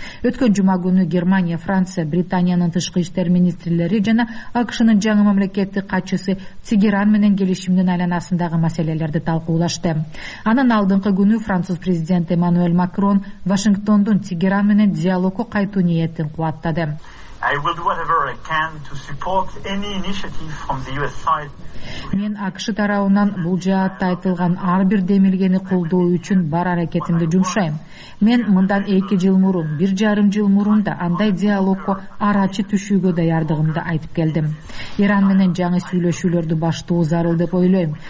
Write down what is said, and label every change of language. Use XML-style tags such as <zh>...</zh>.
<ky>Өткөн жума күнү Германия, Франция, Британиянын тышкы иштер министрлери жана АКШнын жаңы мамлекеттик катчысы Тегеран менен келишимдин айланасындагы маселелерди талкуулашты. Анын алдыңкы күнү француз президенти Эммануэль Макрон Вашингтондун Тегеран менен диалогко кайтуу ниетин кубаттады.</ky> <en>I will do whatever I can to support any initiative from the US side.</en> <ky>Мен АКШ тарабынан бул жаатта айтылган ар бир демилгени колдоо үчүн бар аракетимди жумшайм. Мен мындан 2 жыл мурун, 1.5 жыл мурун да андай диалогко арачы түшүүгө даярдыгымды айтып келдим. Иран менен жаңы сүйлөшүүлөрдү баштоо зарыл деп ойлойм.</ky>